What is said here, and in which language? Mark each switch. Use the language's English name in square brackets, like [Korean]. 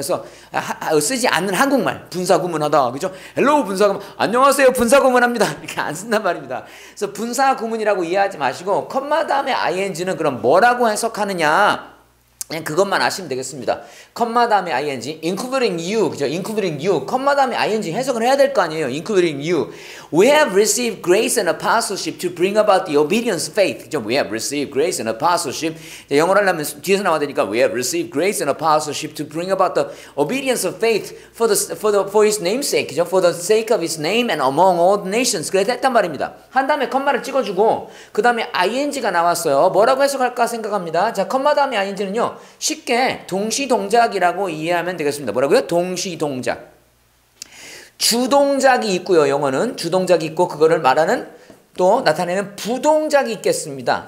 [Korean] 그래서 쓰지 않는 한국말 분사구문하다, 그렇죠? 헬로우 분사구문, 안녕하세요 분사구문합니다, 이렇게 안 쓴단 말입니다. 그래서 분사구문이라고 이해하지 마시고 컴마 다음에 ing는 그럼 뭐라고 해석하느냐, 그냥 그것만 아시면 되겠습니다. 컴마 다음에 ing, [English] including you, [Korean] 그죠? including you, 컴마 다음에 ing 해석을 해야 될 거 아니에요. [English] including you, we have received grace and apostleship to bring about the obedience faith. 그죠? we have received grace and apostleship. [Korean] 영어를 하려면 뒤에서 나와야 되니까 [English] we have received grace and apostleship to bring about the obedience of faith for his namesake, 그죠? for the sake of his name and among all the nations. [Korean] 그래서 했단 말입니다. 한 다음에 컴마를 찍어주고 그 다음에 ing가 나왔어요. 뭐라고 해석할까 생각합니다. 자, 컴마 다음에 ing는요. 쉽게 동시동작이라고 이해하면 되겠습니다. 뭐라고요? 동시동작. 주동작이 있고요. 영어는 주동작이 있고 그거를 말하는 또 나타내는 부동작이 있겠습니다.